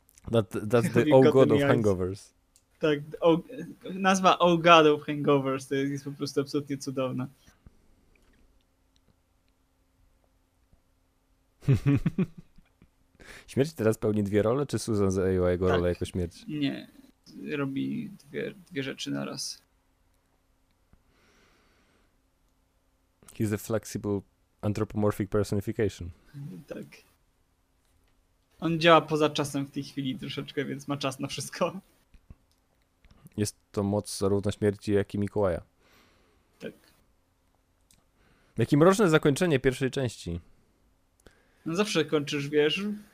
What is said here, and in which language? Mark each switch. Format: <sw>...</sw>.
<en>That's the oh god of hangovers.</en> <pl>Tak, nazwa Oh God of Hangovers to jest po prostu absolutnie cudowna. Śmierć teraz pełni dwie role, czy Susan zajęła jego rolę jako śmierć? Nie, robi dwie rzeczy na raz.</pl> <en>He's a flexible anthropomorphic personification.</en> <pl>Tak. On działa poza czasem w tej chwili troszeczkę, więc ma czas na wszystko. Jest to moc zarówno śmierci, jak i Mikołaja. Tak. Jakie mroczne zakończenie pierwszej części. No zawsze kończysz, wiesz,</pl>